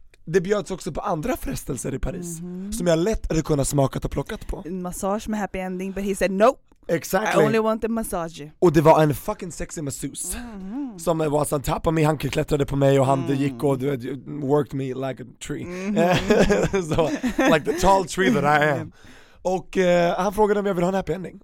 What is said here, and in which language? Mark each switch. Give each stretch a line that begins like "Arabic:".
Swedish: Det bjöds också på andra frestelser i Paris. Mm-hmm. Som jag lätt hade kunnat smakat och plockat på. En massage med happy ending,
English: but he said no. Exactly. I only want a massage.
Swedish: Och det var en fucking sexy masseuse. Mm-hmm. Som var så, han tappade mig, han klättrade på mig och han gick och
English: worked me like a tree. Mm-hmm.
Swedish: Så,
English: like the tall tree that I am.
Swedish: Och han frågade om jag vill ha en happy ending.